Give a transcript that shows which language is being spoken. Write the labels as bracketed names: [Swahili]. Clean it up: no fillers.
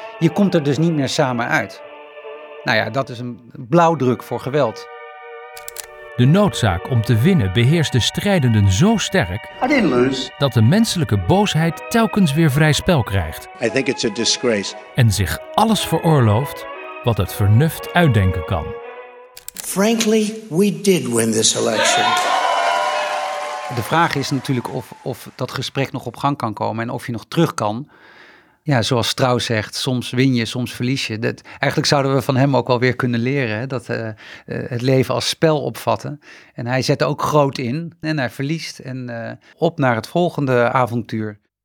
[Dutch] Je komt er dus niet meer samen uit. Nou ja, dat is een blauwdruk voor geweld. De noodzaak om te winnen beheerst de strijdenden zo sterk, [English] I didn't lose. [Dutch] Dat de menselijke boosheid telkens weer vrij spel krijgt. [English] I think it's a disgrace. [Dutch] En zich alles veroorlooft wat het vernuft uitdenken kan. [English] Frankly, we did win this election. [Dutch] De vraag is natuurlijk of dat gesprek nog op gang kan komen en of je nog terug kan. Ja, zoals Strauss zegt, soms win je, soms verlies je. Dat, eigenlijk zouden we van hem ook wel weer kunnen leren, hè, dat het leven als spel opvatten. En hij zet ook groot in en hij verliest en op naar het volgende avontuur.